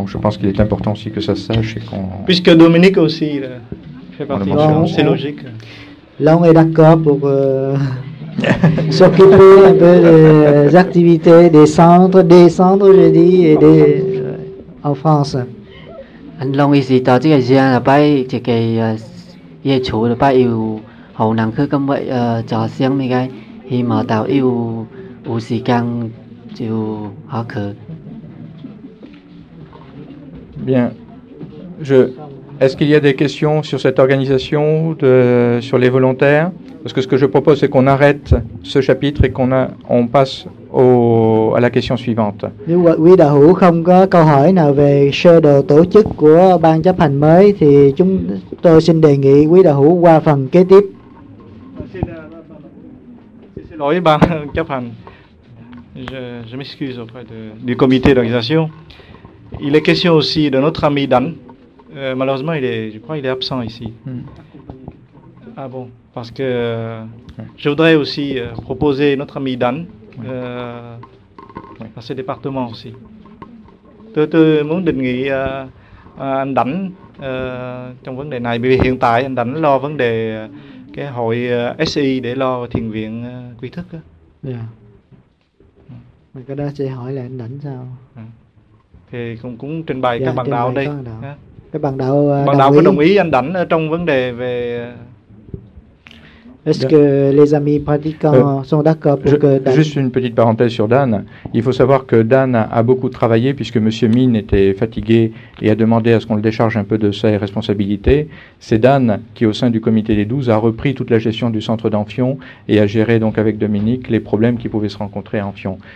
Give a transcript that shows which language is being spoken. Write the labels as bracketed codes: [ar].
[fr] Donc je pense qu'il est important aussi que ça se sache. Et qu'on, puisque Dominique aussi fait partie, donc, c'est logique. Là, on est d'accord pour s'occuper un peu des activités, des centres, je dis, et des, en France. Anh Long ý gì đó chứ cái gian là bay chỉ cái về chủ là bay yêu hậu năng cứ công vậy cho riêng mấy cái khi mà tao yêu u thời gian chịu họ cứ. Bien, je est-ce qu'il y a des questions sur cette organisation de sur les volontaires? Parce que ce que je propose, c'est qu'on arrête ce chapitre et qu'on a, on passe au, à la question suivante. [vi] Nếu quý đạo hữu không có câu hỏi nào về sơ đồ tổ chức của ban chấp hành mới, thì chúng tôi xin đề nghị quý đạo hữu qua phần kế tiếp. Xin lỗi ban chấp hành. [fr] Je m'excuse auprès du comité d'organisation. Il est question aussi de notre ami Dan. Malheureusement, je crois qu'il est absent ici. Ah bon? Parce que je voudrais aussi proposer notre ami Dan à ce département aussi. [vi] Tôi muốn đề nghị anh Đảnh trong vấn đề này, bởi vì hiện tại anh Đảnh lo vấn đề cái hội SI để lo thiền viện quy thức. Dạ. Mình có đang sẽ hỏi là anh Đảnh sao? Thì cũng trình bày các bạn đạo đây. Các bạn đạo. Bạn đạo có đồng ý anh Đảnh trong vấn đề về. [fr] Est-ce que les amis pratiquants sont d'accord pour que Dan... Juste une petite parenthèse sur Dan. Il faut savoir que Dan a beaucoup travaillé puisque M. Min était fatigué et a demandé à ce qu'on le décharge un peu de ses responsabilités. C'est Dan qui, au sein du comité des 12, a repris toute la gestion du centre d'Anfion et a géré donc avec Dominique les problèmes qui pouvaient se rencontrer à Anfion.